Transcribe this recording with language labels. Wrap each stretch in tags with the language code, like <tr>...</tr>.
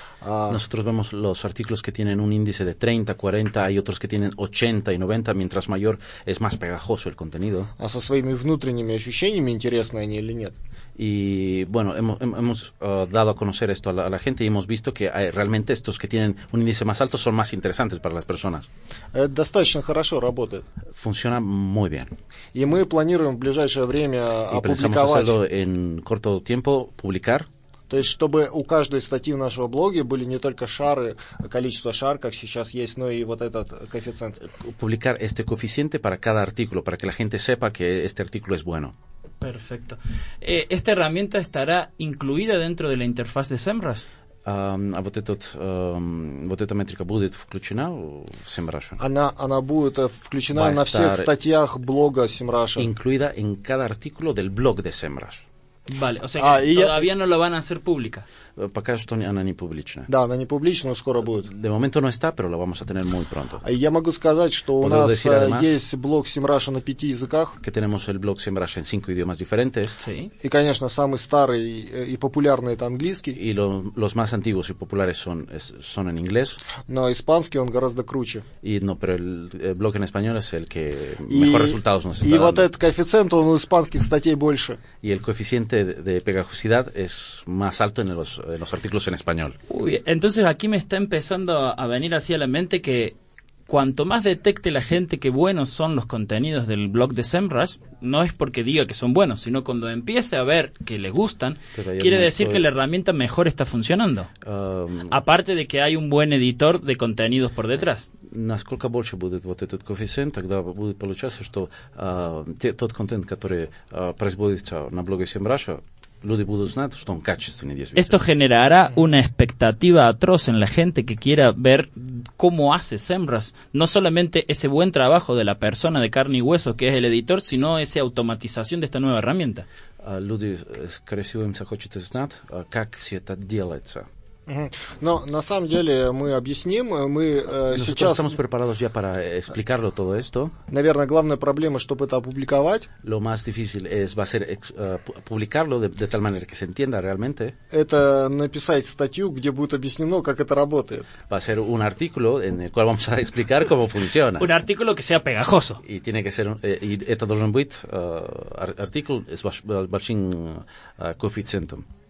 <es>Nosotros vemos los artículos que tienen un índice de 30-40, hay otros que tienen 80-90, mientras mayor es más pegajoso el contenido.</es> <ru>А со своими внутренними ощущениями, интересны они или нет?</ru> <es>Y bueno, hemos dado a conocer esto a la gente y hemos visto que realmente estos que tienen un índice más alto son más interesantes para las personas.</es> <ru>Достаточно хорошо работает.</ru> <es>Funciona muy bien.</es> <ru>Y мы планируем в ближайшее время опубликовать.</ru> <es>Pensamos hacerlo en corto tiempo, publicar.</es> <ru>То есть, чтобы у каждой статьи в нашем блоге были не только шары, количество шар, как сейчас есть, но и вот этот коэффициент.</ru> <es>Publicar este coeficiente para cada artículo, para que la gente sepa que este artículo es bueno. Perfecto. ¿Esta herramienta estará incluida dentro de la interfaz de SEMrush?</es> <ru>А вот этот, вот эта метрика будет включена в SEMrush? Она будет включена на всех статьях блога SEMrush.</ru> <es>Incluida en cada artículo del blog de SEMrush. Vale, o sea que todavía no la van a hacer pública.</es> <ru>Пока что она не публична. Да, она не публична, но скоро будет.</ru> <es>De momento no está, pero la vamos a tener muy pronto.</es> <ru>Я могу сказать, что у нас есть блог SEMrush на 5 языках.</ru> <es>Que tenemos el blog SEMrush en 5 idiomas diferentes. Sí. Y,</es> <ru>конечно, самый старый и популярный это английский.</ru> <es>Y los más antiguos y populares son en inglés.</es> <ru>Но испанский он гораздо круче.</ru> <es>Y no, pero el blog en español es el que mejor resultados nos está dando.</es> <ru>Y вот этот коэффициент, он у испанских статей больше.</ru> <es>Y el coeficiente coeficiente de pegajosidad es más alto en los artículos en español. Uy, entonces aquí me está empezando a venir así a la mente que cuanto más detecte la gente que buenos son los contenidos del blog de SEMrush, no es porque diga que son buenos, sino cuando empiece a ver que le gustan, quiere decir que la herramienta mejor está funcionando. Aparte de que hay un buen editor de contenidos por detrás.</es> <ru>Насколько больше будет вот этот коэффициент, тогда будет получаться, что тот контент, который производится на блоге SEMrush, люди будут знать, что он качественный.</ru> <es>Esto generará una expectativa atroz en la gente que quiera ver cómo hace SEMrush. No solamente ese buen trabajo de la persona de carne y hueso que es el editor, sino esa automatización de esta nueva herramienta.</es> <ru>Люди, скорее всего, им захочет знать, как все это делается. Но на самом деле мы объясним, мы сейчас...</ru> <es>Estamos preparados ya para explicarlo todo esto.</es> <ru>Наверное, главная проблема, чтобы это опубликовать.</ru> <es>Lo más difícil es, va a ser publicarlo de tal manera que se entienda realmente.</es> <ru>Это написать статью, где будет объяснено, как это работает.</ru> <es>Va a ser un artículo en el cual vamos a explicar cómo funciona. Un artículo que sea pegajoso. Y tiene que ser, y</es> <ru>это должен быть artículo с большим коэффициентом.</ru>